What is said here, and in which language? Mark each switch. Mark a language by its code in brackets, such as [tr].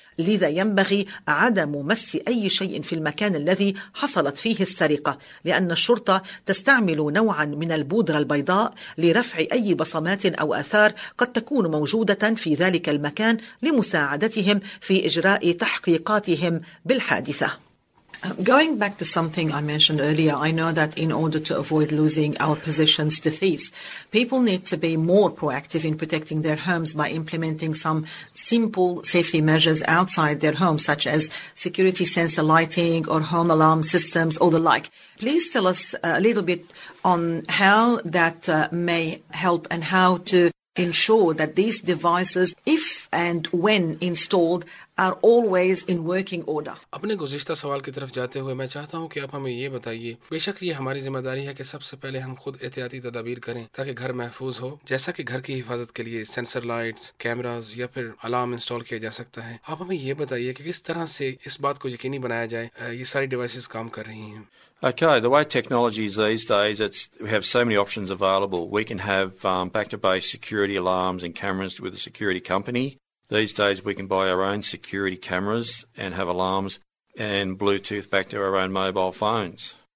[ar] لذا ينبغي عدم مس أي شيء في المكان الذي حصلت فيه السرقة، لأن الشرطة تستعمل نوعا من البودرة البيضاء لرفع أي بصمات أو آثار قد تكون موجودة في ذلك المكان لمساعدتهم في إجراء تحقيقاتهم بالحادثة. [en] Going back to something I mentioned earlier, I know that in order to avoid losing our positions to thieves, people need to be more proactive in protecting their homes by implementing some simple safety measures outside their homes, such as security sensor lighting or home alarm systems or the like. Please tell us a little bit on how that may help and how to ensure that these devices, if and when installed, are always in working order. [ur] اپنے گزشتہ سوال کی طرف جاتے ہوئے میں چاہتا ہوں کہ آپ ہمیں یہ بتائیے، بے شک یہ ہماری ذمہ داری ہے کہ سب سے پہلے ہم خود احتیاطی تدابیر کریں تاکہ گھر محفوظ ہو، جیسا کہ گھر کی حفاظت کے لیے سینسر لائٹس، کیمراز یا پھر الارم انسٹال کیا جا سکتا ہے، آپ ہمیں یہ بتائیے کہ کس طرح سے اس بات کو یقینی بنایا جائے یہ ساری ڈیوائسز کام کر رہی ہیں؟ [en] Okay, the way technology is these days, we have so many options available. We can have back-to-base security alarms and cameras with a security company. These days, we can buy our own security cameras and have alarms and Bluetooth back to our own mobile phones.